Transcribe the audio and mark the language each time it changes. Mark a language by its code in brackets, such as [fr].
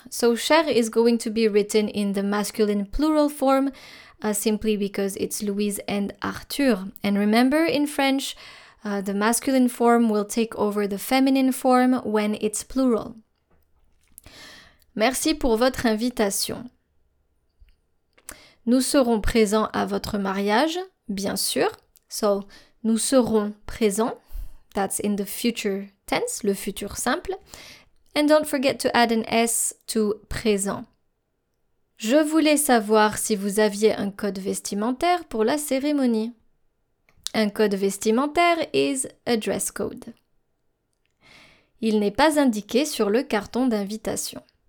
[en] So, chère is going to be written in the masculine plural form, simply because it's Louise and Arthur. And remember, in French, the masculine form will take over the feminine form when it's plural. [fr] Merci pour votre invitation. Nous serons présents à votre mariage, bien sûr. So, nous serons présents. [en] that's in the future tense, [fr] le futur simple. [en] And don't forget to add an S to présent. [fr] Je voulais savoir si vous aviez un code vestimentaire pour la cérémonie. Un code vestimentaire [en] is a dress code. [fr] Il n'est pas indiqué sur le carton d'invitation.